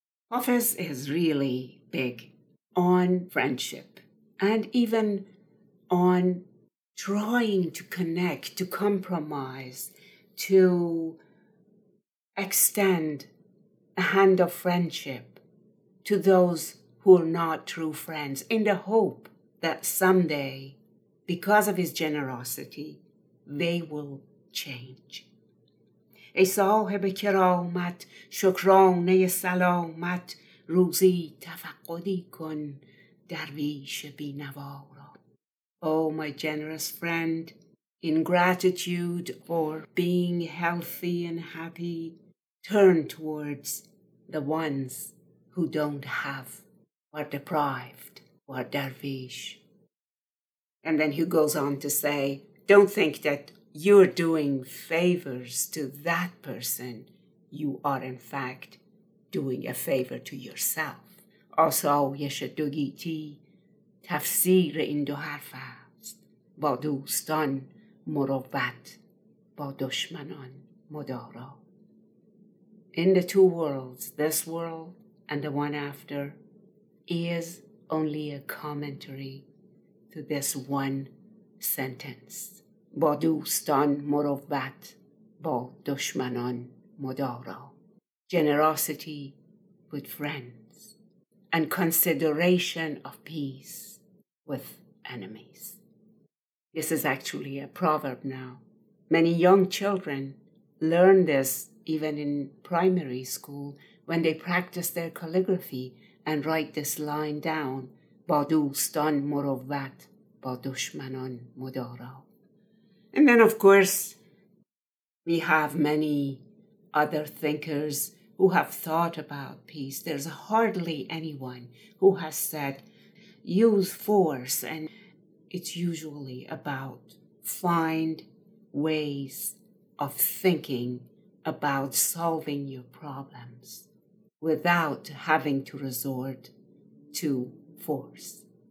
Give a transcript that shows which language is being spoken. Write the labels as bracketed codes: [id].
[en] Puffis is really big on friendship and even on trying to connect, to compromise, to extend a hand of friendship to those who are not true friends in the hope that someday, because of his generosity, they will change. [fa] ای صاحب کرامت شکرانه سلامت روزی تفقدی کن درویش بینوا را. [en] Oh, my generous friend, in gratitude for being healthy and happy, turn towards the ones who don't have, who are deprived, who are derviche. And then he goes on to say, don't think that you're doing favors to that person. You are, in fact, doing a favor to yourself. Also, [fa] یشد دو گیتی تفسیر این دو حرف است. با دوستان مروت، با دشمنان مدارا. [en] In the two worlds, this world and the one after, is only a commentary to this one sentence. [fa] با دوستان مروت، با دشمنان مدارا. [en] Generosity with friends and consideration of peace with enemies. This is actually a proverb now. Many young children learn this even in primary school when they practice their calligraphy and write this line down. [fa] با دوستان مروت، با دشمنان مدارا. [en] And then, of course, we have many other thinkers who have thought about peace. There's hardly anyone who has said, use force. And it's usually about find ways of thinking about solving your problems without having to resort to force.